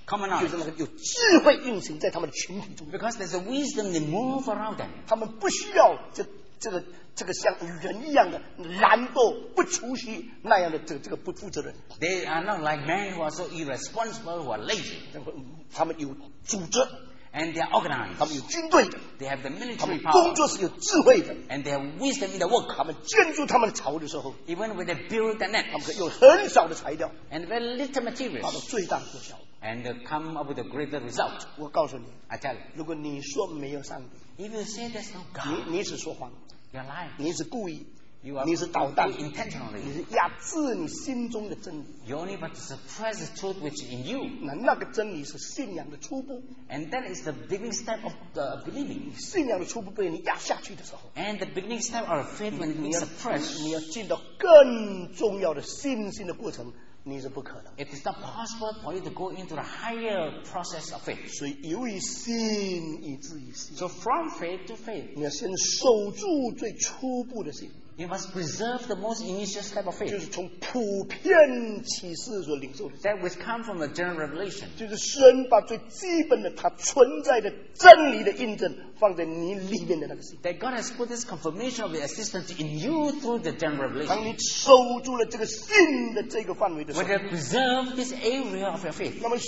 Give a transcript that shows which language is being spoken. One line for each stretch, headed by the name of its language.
English: Because there's a wisdom they move around them.
Chinese: 他们不需要这个像人一样的懒惰不出息那样的这个不负责任。
English: They are not like men who are so irresponsible, who are lazy.
Chinese: 他们有组织。
English: And they are organized.
Chinese: 他们有军队。
English: They have the military power.
Chinese: 他们工作是有智慧的。
English: And they have wisdom in the work.
Chinese: 他们建筑他们的巢的时候。
English: Even when they build the net.
Chinese: 他们用很少的材料。
English: And very little materials.
Chinese: 他们最大最小。
English: And come up with a greater result.
Chinese: 我告诉你。
English: I tell you.
Chinese: 如果你说没有上帝。
English: If you say there's no God.
Chinese: 你只说谎。
English: You're lying.
Chinese: 你只故意。
English: You are
Chinese: 你是捣蛋,
English: intentionally.
Chinese: 你是压制你心中的真理,
English: you only but to suppress the truth which is in you.
Chinese: 那个真理是信仰的初步,
English: and that is the beginning step of the believing.
Chinese: 信仰的初步被你压下去的时候,
English: and the beginning step of faith when it is suppressed.
Chinese: 你要进到更重要的信心的过程,
English: it is not possible for you to go into the higher process of faith.
Chinese: 所以由于信以至于信,
English: so from faith to faith.
Chinese: 你要先守住最初步的信,
English: you must preserve the most initial step of faith.
Chinese: 就是从普遍启示所领受的,
English: that which comes from the general revelation.
Chinese: 就是神把最基本的他存在的真理的印证放在你里面的那个信,
English: that God has put this confirmation of the existence in you through the general revelation.
Chinese: 当你守住了这个信的这个范围的时候,
English: when you preserve this area of your faith,